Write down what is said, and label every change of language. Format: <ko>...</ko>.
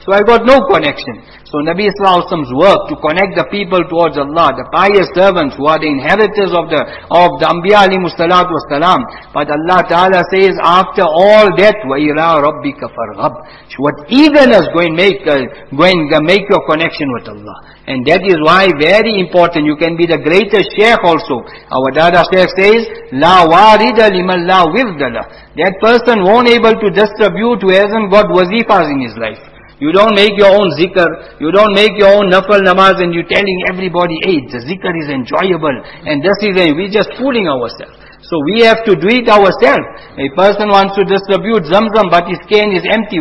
<en>So I got no connection. So Nabi sallallahu alayhi wa sallam's work to connect the people towards Allah, the pious servants who are the inheritors of the Anbiya alayhimu salatu wa salam. But Allah Ta'ala says, after all that,</en> <ar>وَإِلَىٰ رَبِّكَ فَارْغَبْ.</ar> <en>What eagerness going make your connection with Allah. And that is why very important, you can be the greatest Shaykh also. Our Dada Shaykh says,</en> <ar>لَا وَارِدَ لِمَنْ لَا وِرْدَلَ.</ar> <en>That person won't able to distribute who hasn't got wazifas in his life. You don't make your own zikr, you don't make your own nafal namaz, and you're telling everybody, hey, the zikr is enjoyable, and this is, we're just fooling ourselves. So we have to do it ourselves. A person wants to distribute zamzam, but his can is empty.</en>